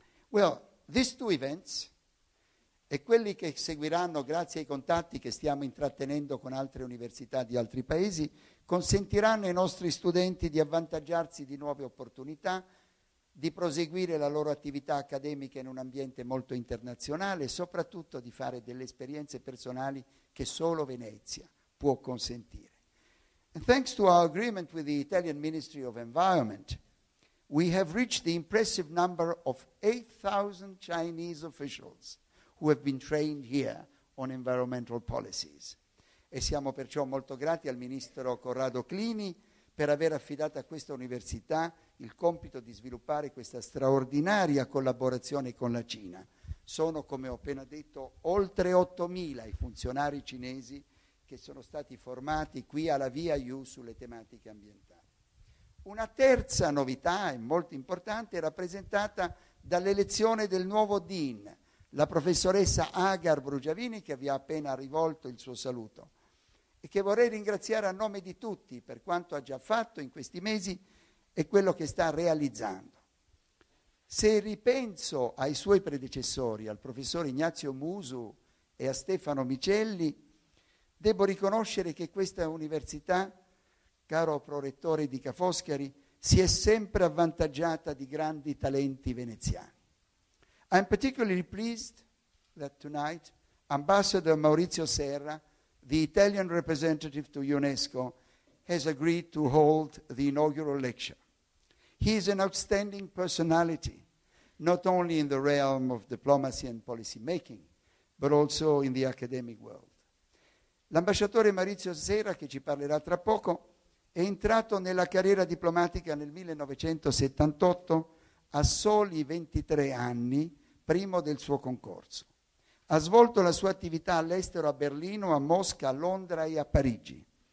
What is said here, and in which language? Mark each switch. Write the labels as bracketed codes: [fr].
[en] Well, these two events [it] e quelli che seguiranno grazie ai contatti che stiamo intrattenendo con altre università di altri paesi consentiranno ai nostri studenti di avvantaggiarsi di nuove opportunità, di proseguire la loro attività accademica in un ambiente molto internazionale e soprattutto di fare delle esperienze personali che solo Venezia può consentire. [en] And thanks to our agreement with the Italian Ministry of Environment, we have reached the impressive number of 8,000 Chinese officials who have been trained here on environmental policies. [it] E siamo perciò molto grati al ministro Corrado Clini per aver affidato a questa università il compito di sviluppare questa straordinaria collaborazione con la Cina. Sono, come ho appena detto, oltre 8,000 i funzionari cinesi che sono stati formati qui alla VIU sulle tematiche ambientali. Una terza novità e molto importante è rappresentata dall'elezione del nuovo dean, la professoressa Agar Brugiavini, che vi ha appena rivolto il suo saluto e che vorrei ringraziare a nome di tutti per quanto ha già fatto in questi mesi e quello che sta realizzando. Se ripenso ai suoi predecessori, al professor Ignazio Musu e a Stefano Micelli, devo riconoscere che questa università, caro prorettore di Ca' Foscari, si è sempre avvantaggiata di grandi talenti veneziani. [en] I'm particularly pleased that tonight Ambassador Maurizio Serra, the Italian representative to UNESCO, has agreed to hold the inaugural lecture. He is an outstanding personality, not only in the realm of diplomacy and policy making, but also in the academic world. [it] L'ambasciatore Maurizio Serra, che ci parlerà tra poco, è entrato nella carriera diplomatica nel 1978 a soli 23 anni, primo del suo concorso. Ha svolto la sua attività all'estero a Berlino, a Mosca, a Londra e a Parigi.